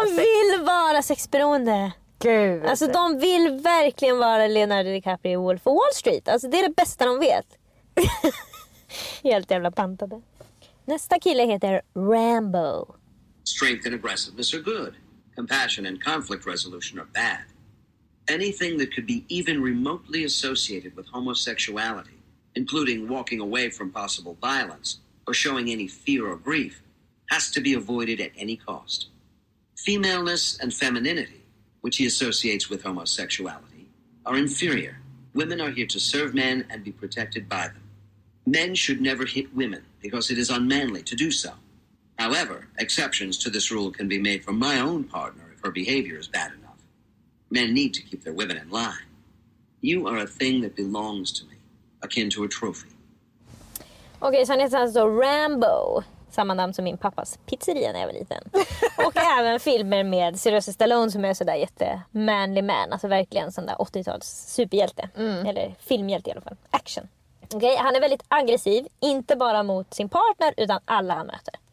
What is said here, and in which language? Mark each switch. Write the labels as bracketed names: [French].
[Swedish] De vill vara sexberoende. Gud. Alltså de vill verkligen vara Leonardo DiCaprio i Wolf of Wall Street. Alltså det är det bästa de vet. Helt jävla pantade. Nästa kille heter Rambo. [English] Strength and aggressiveness are good. Compassion and conflict resolution are bad. Anything that could be even remotely associated with homosexuality, including walking away from possible violence or showing any fear or grief, has to be avoided at any cost. Femaleness and femininity, which he associates with homosexuality, are inferior. Women are here to serve men and be protected by them. Men should never hit women because it is unmanly to do so. However, exceptions to this rule can be made for my own partner if her behavior is bad enough. Men need to keep their women in line. You are a thing that belongs to me, akin to a trophy. Okay, so it's also Rambo. [Swedish] Samma namn som min pappas pizzeria när jag var liten. Och även filmer med Sylvester Stallone som är sådär jätte [English] manly man. [Swedish] Alltså verkligen sån där 80-tals superhjälte. Mm. Eller filmhjälte i alla fall. Action. Okay? Han är väldigt aggressiv. Inte bara mot sin partner utan alla han möter.